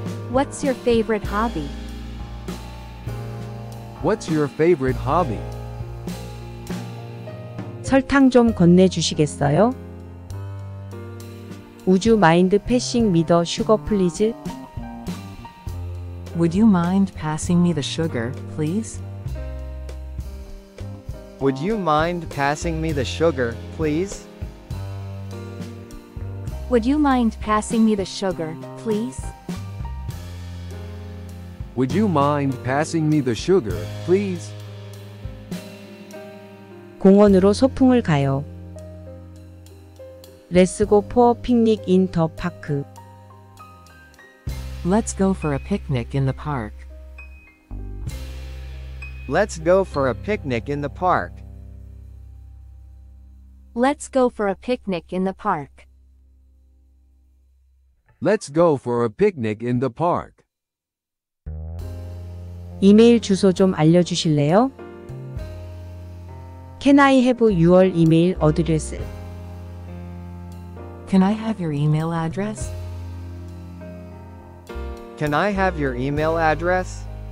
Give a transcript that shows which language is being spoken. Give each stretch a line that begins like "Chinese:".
English: What's your favorite hobby? What's your favorite hobby?
Korean: 설탕 좀 건네 주시겠어요?
English: 우주 마인드 패싱 미더 슈거 플리즈? Would you mind passing me the sugar, please? Would you mind passing me the sugar, please? Would you mind passing me the sugar, please? Would you mind passing me the sugar, please?
Korean: 공원으로 소풍을 가요.
English: Let's go for a picnic in the park. Let's go for a picnic in the park. Let's go for a picnic in the park. Let's go for a picnic in the park. Let's go for a picnic in the park.
Korean: 이메일 주소 좀 알려주실래요?
English: Can I have your email address? Can I have your email address? Can I have your email address?